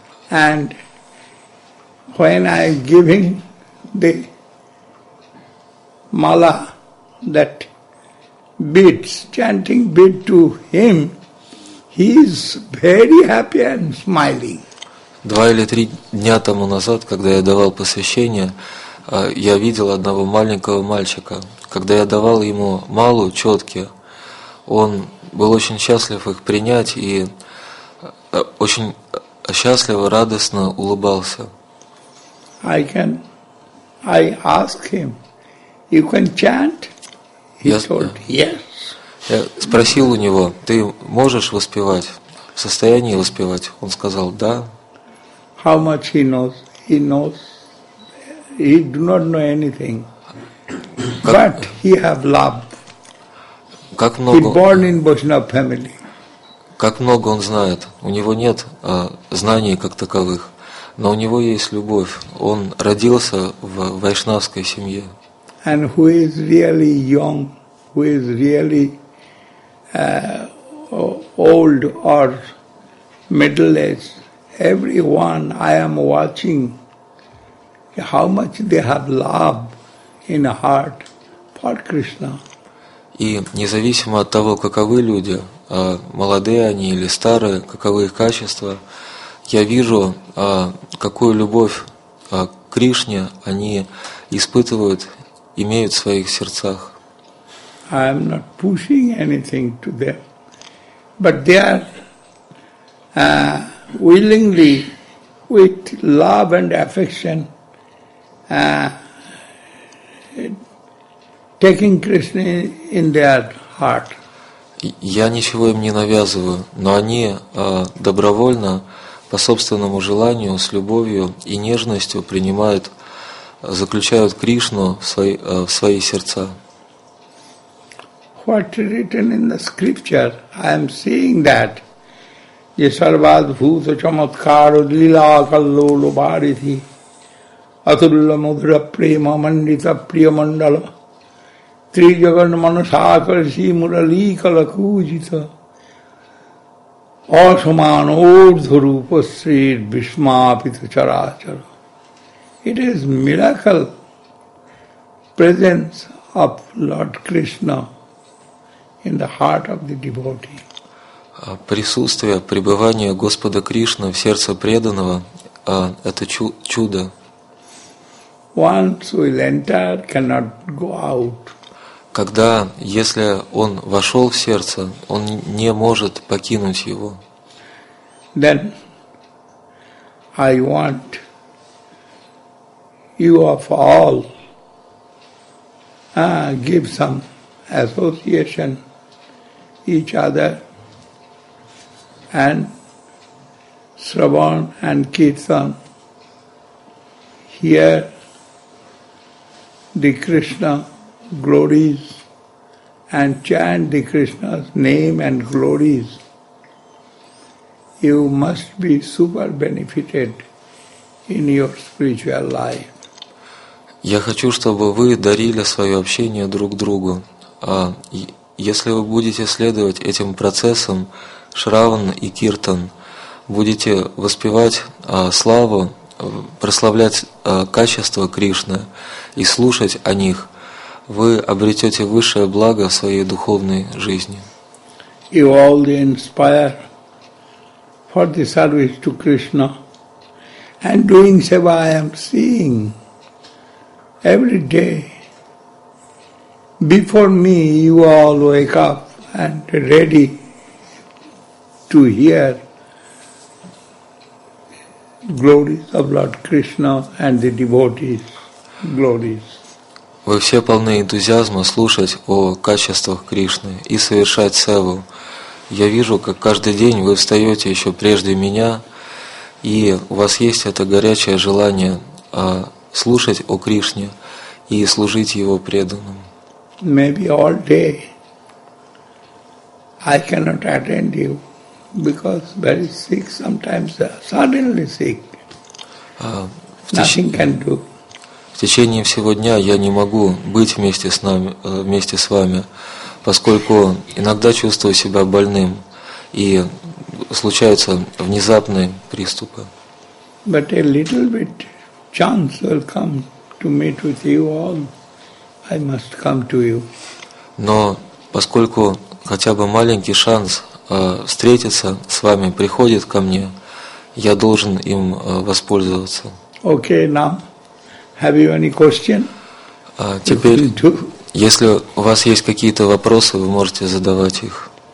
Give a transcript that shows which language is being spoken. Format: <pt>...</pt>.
<en>And when I am giving the mala, that beads, chanting bead to him, he is very happy and smiling.</en> <ru>2 или 3 дня тому назад, когда я давал посвящение, я видел одного маленького мальчика. Когда я давал ему малу, четки, он был очень счастлив их принять и очень счастливо, радостно улыбался.</ru> <en>I ask him, you can chant? He told, yes.</en> <ru>Я спросил у него, ты можешь воспевать, в состоянии воспевать? Он сказал, да.</ru> <en>How much he knows? He knows. He do not know anything. But he have love.</en> <ru>Как много,</ru> <en>he born in Vaishnava family.</en> <ru>Как много он знает. У него нет знаний как таковых. Но у него есть любовь. Он родился в вайшнавской семье.</ru> <en>And who is really young, who is really old or middle-aged, everyone I am watching, how much they have love in heart for Krishna.</en> <ru>И независимо от того, каковы люди, молодые они или старые, каковы их качества, я вижу, какую любовь к Кришне они испытывают, имеют в своих сердцах.</ru> <en>I am not pushing anything to them, but they are willingly, with love and affection, taking Krishna in their heart.</en> <ru>Я ничего им не навязываю, но они добровольно, по собственному желанию, с любовью и нежностью принимают, заключают Кришну в свои сердца.</ru> <en>What is written in the scripture, I am seeing that.</en> <sa>Yesarvad bhuta chamatkaro lila kallo lubharithi atulla mudra prema mandita priyamandala tri jagan manasakarsi murali kalakujita Asaman urdhu rupa sri vishmapita characharo.</sa> <en>It is miracle presence of Lord Krishna in the heart of the devotee.</en> <ru>Присутствие, пребывание Господа Кришны в сердце преданного – это чудо.</ru> <en>Once we'll enter, cannot go out.</en> <ru>Когда, если он вошел в сердце, он не может покинуть его.</ru> <en>Then I want you of all give some association each other and Shravan and Kirtan hear the Krishna glories and chant the Krishna's name and glories. You must be super benefited in your spiritual life.</en> <ru>Я хочу, чтобы вы дарили свое общение друг другу. Если вы будете следовать этим процессам, Шраван и Киртан, будете воспевать славу, прославлять качество Кришны и слушать о них, вы обретете высшее благо в своей духовной жизни.</ru> <en>И all the inspire for the service to Krishna. And doing seva I am seeing every day. Before me you all wake up and ready to hear glories of Lord Krishna and the devotees' glories.</en> <ru>Вы все полны энтузиазма слушать о качествах Кришны и совершать севу. Я вижу, как каждый день вы встаете еще прежде меня, и у вас есть это горячее желание слушать о Кришне и служить Его преданным.</ru> <en>Maybe all day I cannot attend you because very sick sometimes, suddenly sick. Nothing can do.</en> <ru>В течение всего дня я не могу быть вместе с нами, вместе с вами, поскольку иногда чувствую себя больным и случаются внезапные приступы.</ru> <en>But a little bit chance will come to meet with you all. I must come to you.</en> <ru>Но поскольку хотя бы маленький шанс встретиться с вами приходит ко мне, я должен им воспользоваться.</ru> <en>Okay, now, have you any question?</en> <ru>Теперь, если у вас есть какие-то вопросы, вы можете задавать их.</ru>